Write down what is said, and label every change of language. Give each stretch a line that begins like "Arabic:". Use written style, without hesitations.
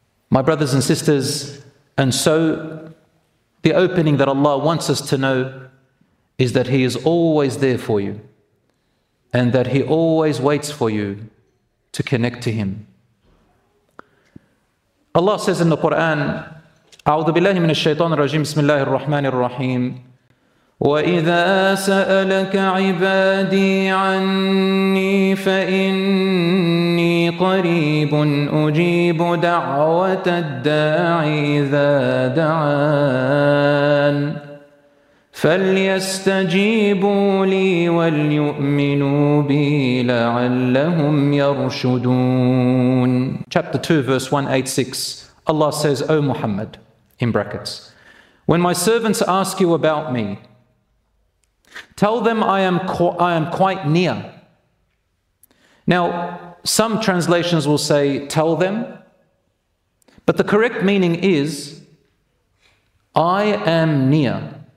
English: My brothers and sisters, and so the opening that Allah wants us to know is that He is always there for you and that He always waits for you to connect to Him. Allah says in the Quran,
Arabic: أعوذ بالله من الشيطان الرجيم بسم الله الرحمن الرحيم وَإِذَا سَأَلَكَ عِبَادِي عَنِّي فَإِنِّي قَرِيبٌ أُجِيبُ دَعْوَةَ الدَّاعِي إِذَا دَعَانِ فَلْيَسْتَجِيبُوا لِي وَلْيُؤْمِنُوا بِي لَعَلَّهُمْ يَرْشُدُونَ
English: Chapter 2, verse 186. Allah says, O Muhammad, in brackets, when my servants ask you about me, tell them I am quite near. Now, some translations will say, tell them. But the correct meaning is, I am near.